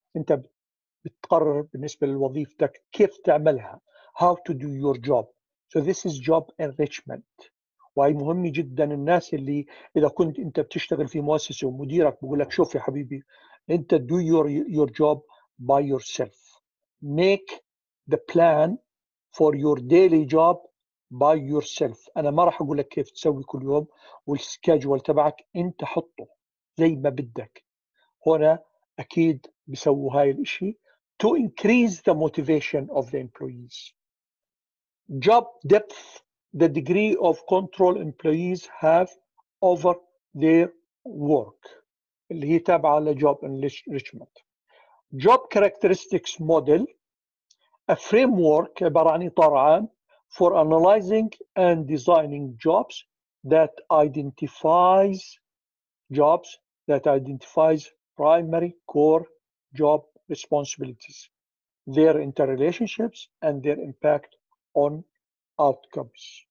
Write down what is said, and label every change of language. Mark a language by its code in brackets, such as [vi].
[ar] أنت بتقرر بالنسبة لوظيفتك كيف تعملها، [en] how to do your job. So this is job enrichment. [ar] وهي مهمة جدا. الناس اللي إذا كنت أنت بتشتغل في مؤسسة ومديرك بقولك شوف يا حبيبي، أنت [en] do your job by yourself. Make the plan for your daily job by yourself. [ar] أنا ما راح أقولك كيف تسوي كل يوم، والسكاجول تبعك أنت حطه زي ما بدك. هنا أكيد بيسووا هاي الإشي [en] to increase the motivation of the employees. Job depth, the degree of control employees have over their work. [ar] اللي هي تابعة لجوب انريتشمنت. [en] Job characteristics model, a framework [ar] عبارة عن إطار عام [en] for analyzing and designing jobs that identifies jobs that identifies primary core job responsibilities, their interrelationships and their impact on outcomes.